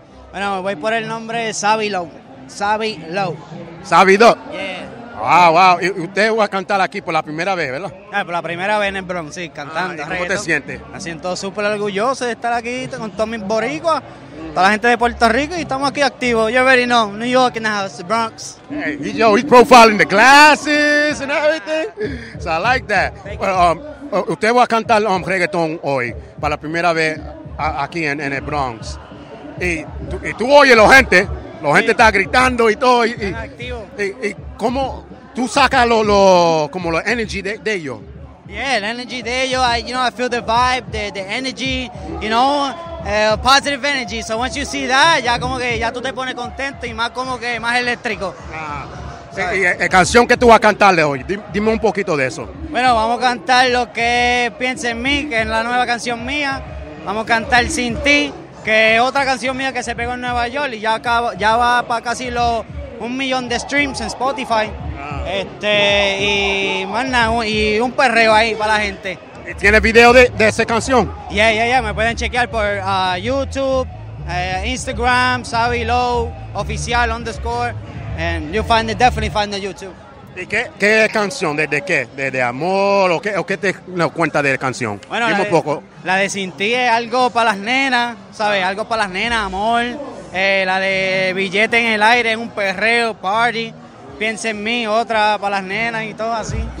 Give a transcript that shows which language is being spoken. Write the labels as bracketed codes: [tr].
[es] Bueno, voy por el nombre de Savilo. Savilo. Savilo. [en] Yeah. Wow, wow. [es] Y usted va a cantar aquí por la primera vez, ¿verdad? Por la primera vez en el Bronx, sí, cantando. ¿Cómo te sientes? Me siento súper orgulloso de estar aquí con todos mis boricuas, toda la gente de Puerto Rico, y estamos aquí activos. [en] You already know, New York in the house, Bronx. Hey, yo, he's profiling the glasses and everything. So I like that. [es] Usted va a cantar reggaetón hoy, para la primera vez aquí en el Bronx. Y tú oyes la gente sí. Está gritando y todo. Y activo. Y cómo tú sacas como la energy de ellos. [en] Yeah, the energy [es] de ellos. [en] I feel the vibe, the energy, you know, positive energy. So once you see that, [es] ya como que ya tú te pones contento y más como que más eléctrico. Ah. Y canción que tú vas a cantarle hoy, dime un poquito de eso. Bueno, vamos a cantar lo que piensa en mí, que es la nueva canción mía. Vamos a cantar Sin Ti, que es otra canción mía que se pegó en Nueva York y ya va para casi los 1 millón de streams en Spotify. Y un perreo ahí para la gente. ¿Tiene video de esa canción? [en] Yeah. [es] Me pueden chequear por YouTube, Instagram, Savilo, oficial, _. [en] And you find it, definitely find the YouTube. [es] ¿Y qué canción? ¿De qué? ¿De amor? ¿O qué te cuenta de la canción? Bueno, la de Sin Ti es algo para las nenas, ¿sabes? Algo para las nenas, amor. La de Billete en el Aire es un perreo, party. Piensa en mí, otra para las nenas y todo así.